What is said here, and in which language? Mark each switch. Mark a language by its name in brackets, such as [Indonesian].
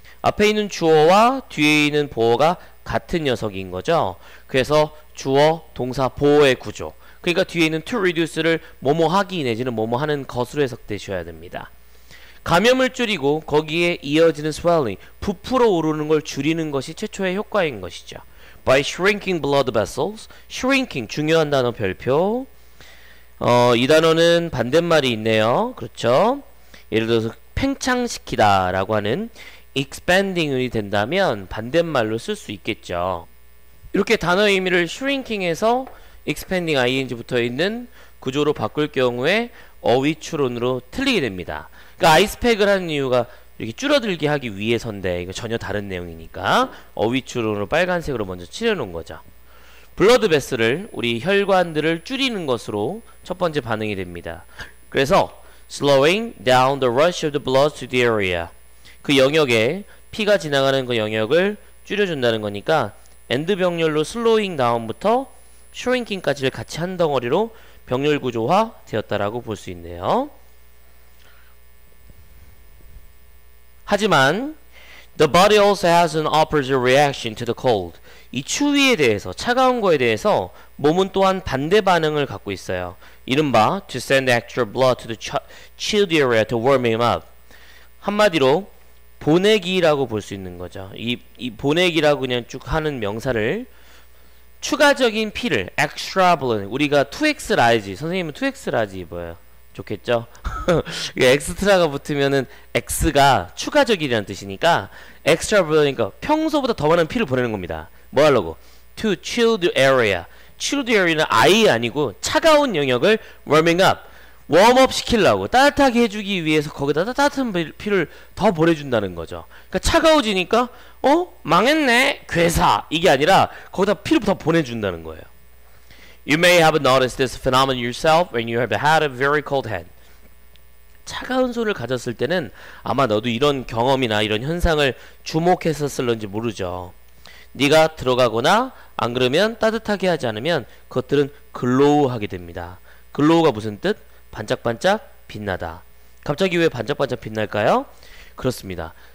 [Korean] 앞에 있는 주어와 뒤에 있는 보어가 같은 녀석인 거죠. 그래서 주어, 동사, 보어의 구조. 그러니까 뒤에 있는 to reduce를 뭐뭐 하기 내지는 뭐뭐 하는 것으로 해석되셔야 됩니다. 감염을 줄이고 거기에 이어지는 swelling, 부풀어 오르는 걸 줄이는 것이 최초의 효과인 것이죠. [English] By shrinking blood vessels, shrinking, [Korean] 중요한 단어 별표. 이 단어는 반대말이 있네요. 그렇죠? 예를 들어서 팽창시키다 라고 하는 expanding이 된다면 반대말로 쓸 수 있겠죠. 이렇게 단어의 의미를 shrinking에서 expanding ing 붙어 있는 구조로 바꿀 경우에 어휘추론으로 틀리게 됩니다. 그러니까 아이스팩을 하는 이유가 이렇게 줄어들게 하기 위해서인데 이거 전혀 다른 내용이니까 어휘추론으로 빨간색으로 먼저 칠해놓은 거죠. 블러드 베슬을 우리 혈관들을 줄이는 것으로 첫 번째 반응이 됩니다. 그래서 [English] slowing down the rush of the blood to the area, [Korean] 그 영역에 피가 지나가는 그 영역을 줄여준다는 거니까 end 병렬로 slowing down부터 shrinking까지를 같이 한 덩어리로 병렬 구조화 되었다라고 볼 수 있네요. 하지만 [English] the body also has an opposite reaction to the cold. [Korean] 이 추위에 대해서, 차가운 거에 대해서 몸은 또한 반대 반응을 갖고 있어요. 이른바 [English] to send extra blood to the chilled area to warm him up. [Korean] 한마디로 보내기라고 볼 수 있는 거죠. 이 보내기라고 그냥 쭉 하는 명사를 추가적인 피를 extra blood, 우리가 2x large, 선생님은 2x large 입어요. 좋겠죠? 엑스트라가 붙으면은 x가 추가적이라는 뜻이니까 extra blood이니까 평소보다 더 많은 피를 보내는 겁니다. 뭐 하려고? [English] to chilled area. [Korean] chilled area는 아예 아니고 차가운 영역을 warming up, warm up 시키려고, 따뜻하게 해주기 위해서 거기다 따뜻한 피를 더 보내준다는 거죠. 그러니까 차가워지니까 망했네 괴사, 이게 아니라 거기다 피를 더 보내준다는 거예요. [English] You may have noticed this phenomenon yourself when you have had a very cold hand. [Korean] 차가운 손을 가졌을 때는 아마 너도 이런 경험이나 이런 현상을 주목했었을런지 모르죠. 네가 들어가거나 안 그러면 따뜻하게 하지 않으면 그것들은 글로우하게 됩니다. 글로우가 무슨 뜻? 반짝반짝 빛나다. 갑자기 왜 반짝반짝 빛날까요? 그렇습니다.